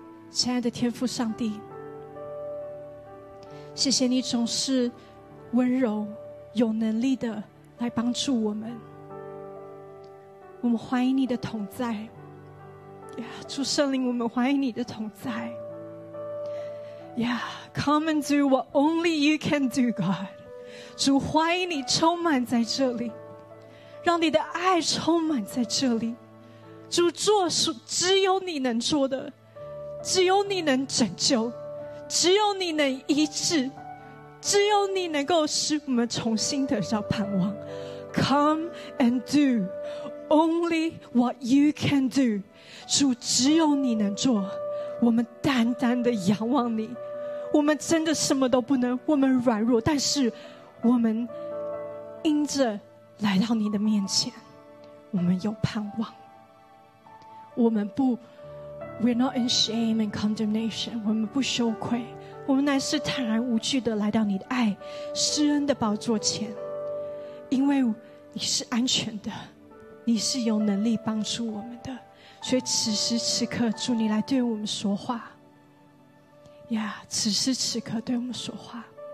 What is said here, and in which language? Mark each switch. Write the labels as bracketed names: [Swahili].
[Chinese] 亲爱的天父上帝，谢谢你总是温柔有能力的来帮助我们，我们欢迎你的同在。主圣灵，我们欢迎你的同在。 [English] Come and do what only you can do, God. [Chinese] 主，欢迎你充满在这里，让你的爱充满在这里。主，做只有你能做的，只有你能拯救，只有你能医治，只有你能够使我们重新得到盼望。 [English] Come and do only what you can do. [Chinese] 主，只有你能做，我们单单的仰望你。我们真的什么都不能，我们软弱，但是我们因着来到你的面前，我们有盼望。我们不 [English] We're not in shame and condemnation. [Chinese] 我们不羞愧，我们乃是坦然无惧的来到你的爱施恩的宝座前，因为你是安全的，你是有能力帮助我们的。所以此时此刻，主，你来对我们说话此时此刻对我们说话。